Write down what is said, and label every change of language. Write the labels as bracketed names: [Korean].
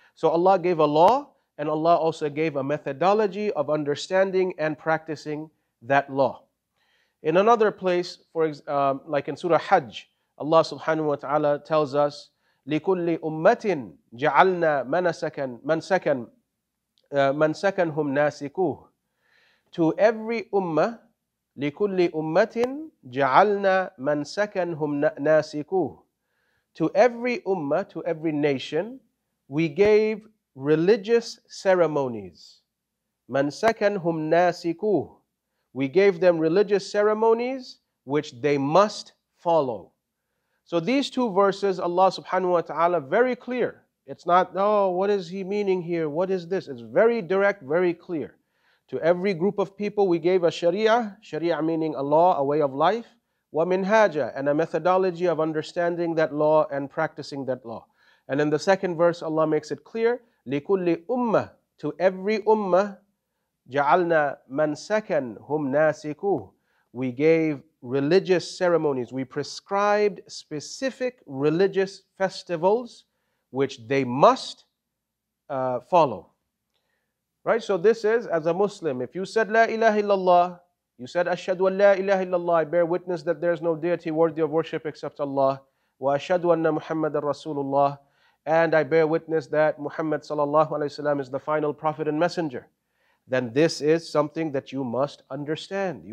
[English] So Allah gave a law, and Allah also gave a methodology of understanding and practicing that law. In another place, like in Surah Hajj, Allah subhanahu wa ta'ala tells us, [Arabic] لِكُلِّ أُمَّةٍ جَعَلْنَا مَنْسَكَنْهُمْ نَاسِكُوهُ. [English] To every ummah, [Arabic] لِكُلِّ أُمَّةٍ جَعَلْنَا مَنْسَكَنْهُمْ نَاسِكُوهُ. [English] To every ummah, to every nation, we gave religious ceremonies. [Arabic] مَنْسَكَنْهُمْ نَاسِكُوهُ. [English] We gave them religious ceremonies which they must follow. So these two verses, Allah subhanahu wa ta'ala, very clear. It's not, oh, what is he meaning here? What is this? It's very direct, very clear. To every group of people, we gave a sharia. Sharia meaning a law, a way of life. Wa minhaja, and a methodology of understanding that law and practicing that law. And in the second verse, Allah makes it clear. [Arabic] لِكُلِّ أُمَّةٍ, [English] to every ummah, [Arabic] جَعَلْنَا مَنْسَكَنْهُمْ نَاسِكُوهُ. [English] We gave religious ceremonies. We prescribed specific religious festivals which they must follow. Right? So this is, as a Muslim, if you said La ilaha illallah, you said [Arabic] Ashhadu an La ilaha illallah, [English] I bear witness that there is no deity worthy of worship except Allah, [Arabic] wa ashhadu anna Muhammadan Rasulullah, [English] and I bear witness that Muhammad sallallahu alayhi wa sallam is the final prophet and messenger, then this is something that you must understand.